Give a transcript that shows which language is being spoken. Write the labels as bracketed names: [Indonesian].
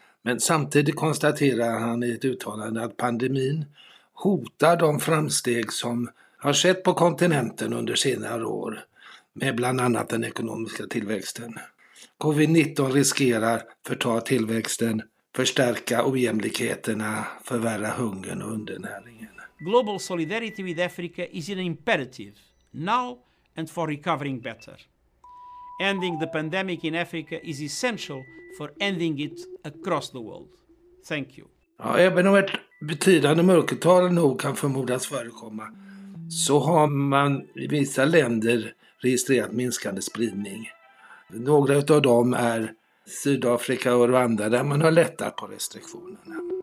[Swedish] Men samtidigt konstaterar han i ett uttalande att pandemin hotar de framsteg som har skett på kontinenten under senare år, med bland annat den ekonomiska tillväxten. Covid-19 riskerar förta tillväxten, förstärka ojämlikheterna, förvärra hungern och undernäringen. [English] Global solidarity with Africa is an imperative now and for recovering better. Ending the pandemic in Africa is essential for ending it across the world. Thank you. [Swedish] Ja, även om ett betydande mörkertal nog kan förmodas förekomma, så har man i vissa länder registrerat minskande spridning. Några av dem är Sydafrika och Rwanda, där man har lättat på restriktionerna.